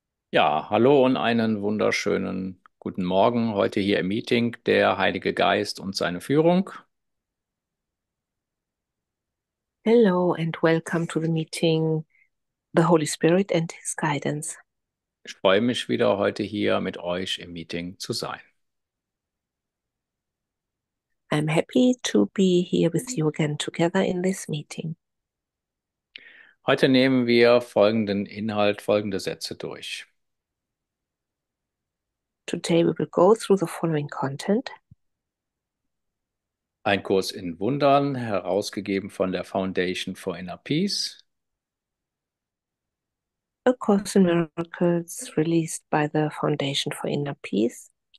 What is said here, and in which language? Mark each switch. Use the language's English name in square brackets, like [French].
[German] Ja, hallo und einen wunderschönen guten Morgen heute hier im Meeting, der Heilige Geist und seine Führung. [English] Hello and welcome to the meeting, the Holy Spirit and His guidance. [German] Ich freue mich wieder, heute hier mit euch im Meeting zu sein. [English] I'm happy to be here with you again together in this meeting. [German] Heute nehmen wir folgenden Inhalt, folgende Sätze durch. [English] Today we will go through the following content. [German] Ein Kurs in Wundern, herausgegeben von der Foundation for Inner Peace. [English] A Course in Miracles, released by the Foundation for Inner Peace.